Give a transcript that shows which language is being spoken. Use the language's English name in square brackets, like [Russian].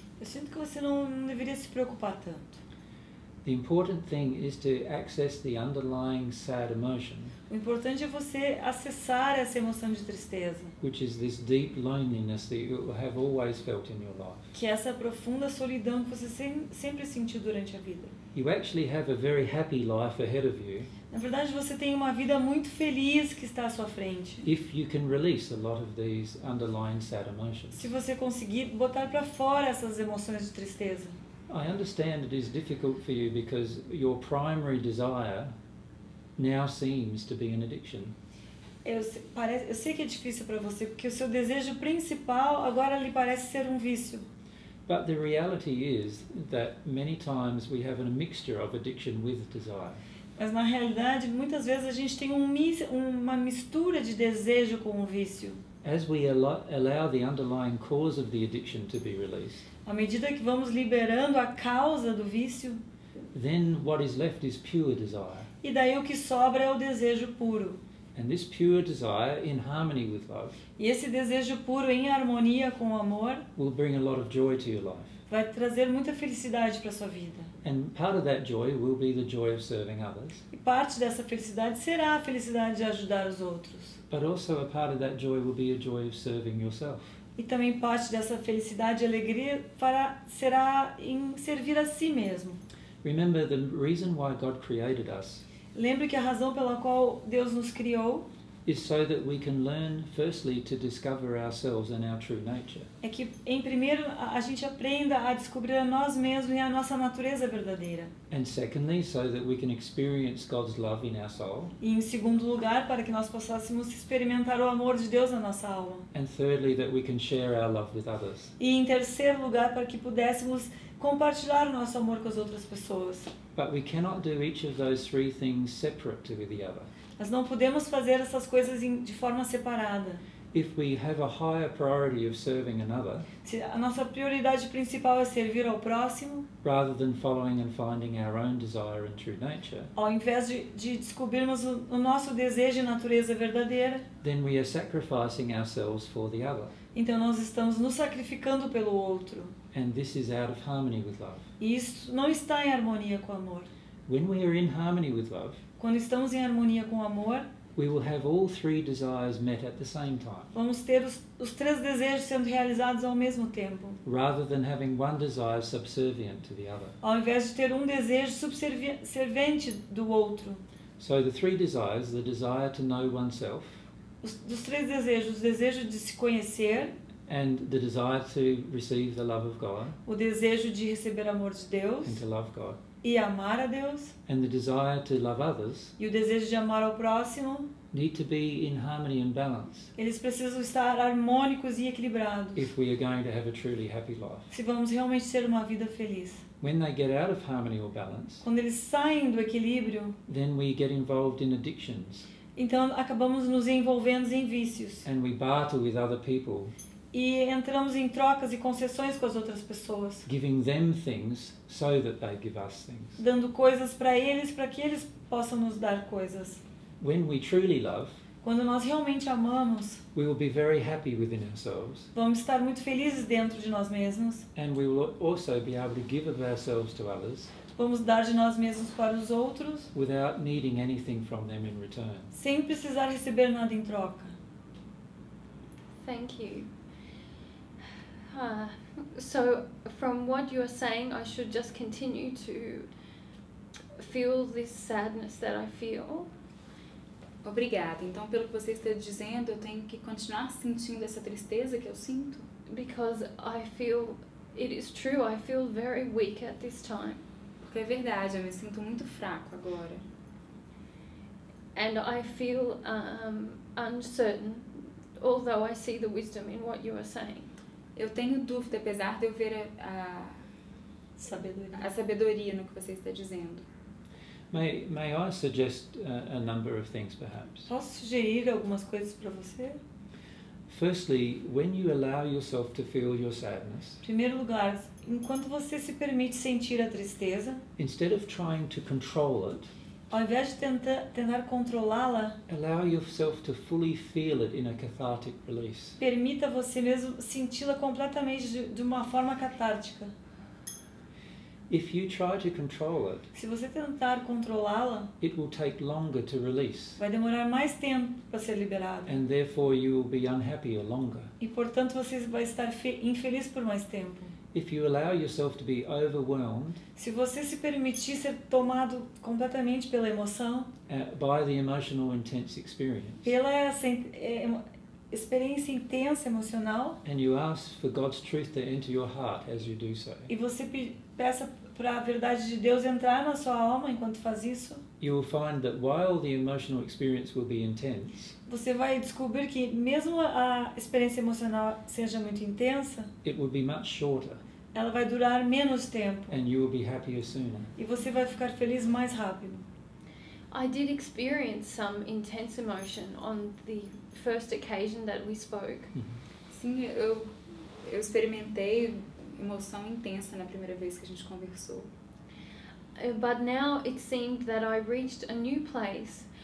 [Portuguese] Eu sinto que você não deveria se preocupar tanto. [English] The important thing is to access the underlying sad emotion. [Portuguese] O importante é você acessar essa emoção de tristeza. [English] Which is this deep loneliness that you have always felt in your life. [Portuguese] Que é essa profunda solidão que você sempre sentiu durante a vida. [English] You actually have a very happy life ahead of you. [Portuguese] Na verdade, você tem uma vida muito feliz que está à sua frente. [English] If you can release a lot of these underlying sad emotions. [Portuguese] Se você conseguir botar para fora essas emoções de tristeza. [English] I understand it is difficult for you because your primary desire now seems to be an addiction. [Portuguese] Eu sei que é difícil para você porque o seu desejo principal agora lhe parece ser um vício. [English] But the reality is that many times we have a mixture of addiction with desire. [Portuguese] Mas na realidade, muitas vezes a gente tem uma mistura de desejo com o vício. [English] As we allow the underlying cause of the addiction to be released. [Portuguese] À medida que vamos liberando a causa do vício, [English] then what is left is pure desire. [Portuguese] E daí o que sobra é o desejo puro. [English] And this pure desire, in harmony with love, [Portuguese] e esse desejo puro em harmonia com o amor, [English] will bring a lot of joy to your life. [Portuguese] Vai trazer muita felicidade para sua vida. [English] And part of that joy will be the joy of serving others. [Portuguese] E parte dessa felicidade será a felicidade de ajudar os outros. [English] But also a part of that joy will be a joy of serving yourself. [Portuguese] E também parte dessa felicidade e alegria será em servir a si mesmo. [English] Remember the reason why God created us. [Portuguese] Lembre que a razão pela qual Deus nos criou [English] is so that we can learn firstly to discover ourselves and our true nature. [Portuguese] É que em primeiro a gente aprenda a descobrir a nós mesmos e a nossa natureza verdadeira. [English] And secondly, so that we can experience God's love in our soul. [Portuguese] E em segundo lugar, para que nós possamos experimentar o amor de Deus na nossa alma. [English] And thirdly, that we can share our love with others. [Portuguese] E em terceiro lugar, para que pudéssemos compartilhar o nosso amor com as outras pessoas. [English] But we cannot do each of those three things separate to the other. [Portuguese] Nós não podemos fazer essas coisas de forma separada. [English] If we have a higher priority of serving another, [Portuguese] se a nossa prioridade principal é servir ao próximo, [English] rather than following and finding our own desire and true nature, [Portuguese] ao invés de descobrirmos o nosso desejo e natureza verdadeira, [English] then we are sacrificing ourselves for the other. [Portuguese] Então nós estamos nos sacrificando pelo outro. [English] And this is out of harmony with love. [Portuguese] E isso não está em harmonia com o amor. [English] When we are in harmony with love, [Portuguese] quando estamos em harmonia com o amor, [English] we will have all three desires met at the same time. [Portuguese] Vamos ter os três desejos sendo realizados ao mesmo tempo. [English] Rather than having one desire subservient to the other. [Portuguese] Ao invés de ter um desejo subservente do outro. [English] So the three desires, the desire to know oneself, [Portuguese] os três desejos, o desejo de se conhecer, [English] and the desire to receive the love of God, [Portuguese] o desejo de receber amor de Deus, [English] and to love God, [Portuguese] e amar a Deus, [English] and the desire to love others, [Portuguese] e o desejo de amar ao próximo, [English] need to be in harmony and balance. [Portuguese] Eles precisam estar harmônicos e equilibrados. [English] If we are going to have a truly happy life. [Portuguese] Se vamos realmente ter uma vida feliz. [English] When they get out of harmony or balance, [Portuguese] quando eles saem do equilíbrio, [English] then we get involved in addictions. [Portuguese] Então acabamos nos envolvendo em vícios. [English] And we barter with other people. [Portuguese] E entramos em trocas e concessões com as outras pessoas. [English] Giving them things so that they give us things. [Portuguese] Dando coisas para eles, para que eles possam nos dar coisas. [English] When we truly love, [Portuguese] quando nós realmente amamos, [English] we will be very happy within ourselves. [Portuguese] Vamos estar muito felizes dentro de nós mesmos. [English] And we will also be able to give of ourselves to others. [Portuguese] Vamos dar de nós mesmos para os outros. [English] Without needing anything from them in return. [Portuguese] Sem precisar receber nada em troca. [English] Thank you. So from what you are saying, I should just continue to feel this sadness that I feel. [Portuguese] Obrigada. Então, pelo que você está dizendo, eu tenho que continuar sentindo essa tristeza que eu sinto. [English] Because I feel, it is true, I feel very weak at this time. [Portuguese] Porque é verdade, eu me sinto muito fraco agora. [English] And I feel uncertain, although I see the wisdom in what you are saying. [Portuguese] Eu tenho dúvida, apesar de eu ver a sabedoria no que você está dizendo. [English] May I suggest a number of things, perhaps? [Portuguese] Posso sugerir algumas coisas para você? [English] Firstly, when you allow yourself to feel your sadness. [Portuguese] Primeiro lugar, enquanto você se permite sentir a tristeza, [English] instead of trying to control it, [Portuguese] ao invés de tentar controlá-la, [English] allow yourself to fully feel it in a cathartic release. [Portuguese] Permita você mesmo senti-la completamente de uma forma catártica. [English] If you try to control it, [Portuguese] se você tentar controlá-la, [English] it will take longer to release. [Portuguese] Vai demorar mais tempo para ser liberado. [English] And therefore you will be unhappy or longer. [Portuguese] E portanto você vai estar infeliz por mais tempo. [English] If you allow yourself to be overwhelmed, [Portuguese] se você se permitir ser tomado completamente pela emoção, [English] by the emotional intense experience, [Portuguese] pela essa experiência intensa emocional, [English] and you ask for God's truth to enter your heart as you do so, [Portuguese] e você peça para a verdade de Deus entrar na sua alma enquanto faz isso, [English] you will find that while the emotional experience will be intense, [Portuguese] você vai descobrir que mesmo a experiência emocional seja muito intensa, [English] it will be much shorter, [Portuguese] ela vai durar menos tempo, [English] and you will be happier sooner, [Portuguese] e você vai ficar feliz mais rápido. [English] I did experience some intense emotion on the first occasion that we spoke. [Portuguese] Sim, eu experimentei emoção intensa na primeira vez que a gente conversou. [English] But now it seemed that I reached a new place.